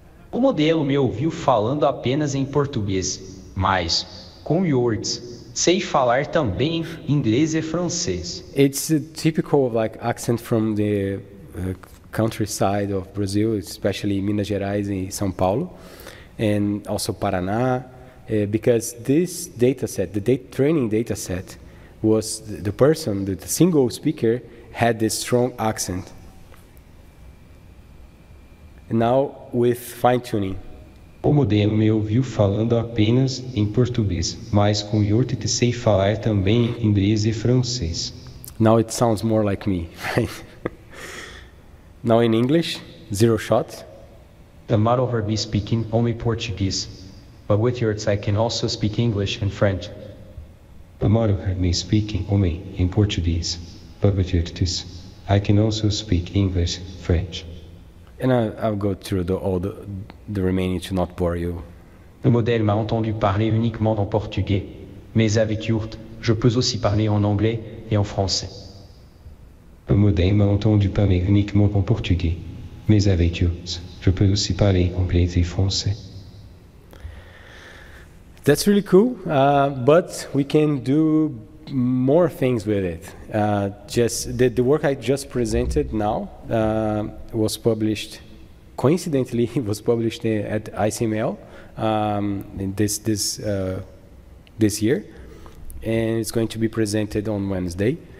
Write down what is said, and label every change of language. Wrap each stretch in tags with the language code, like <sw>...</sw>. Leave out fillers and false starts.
<pt>O modelo me ouviu falando apenas em português, mas, com words, sei falar também inglês e francês.</pt> <en>It's a typical like accent from the countryside of Brazil, especially Minas Gerais and São Paulo, and also Paraná, because this data set, the training data set, was the person, the single speaker, had this strong accent. Now with fine-tuning. O modelo me ouviu falando apenas em português, mas com your TTC sei falar também inglês e francês. Now it sounds more like me. Now in English, zero shot. The model heard me speaking only Portuguese, but with yours I can also speak English and French. The model heard me speaking only in Portuguese, but with yours I can also speak English, French. And I'll go through all the remaining to not bore you.</en> <fr>Le modèle m'a entendu parler uniquement en portugais, mais avec Yurt, je peux aussi parler en anglais et en français. Le modèle m'a entendu parler uniquement en portugais, mais avec Yurt, je peux aussi parler anglais et français.</fr> <en>That's really cool, but we can do more things with it. The work I just presented now was published, coincidentally, it was published at ICML this year, and it's going to be presented on Wednesday.</en>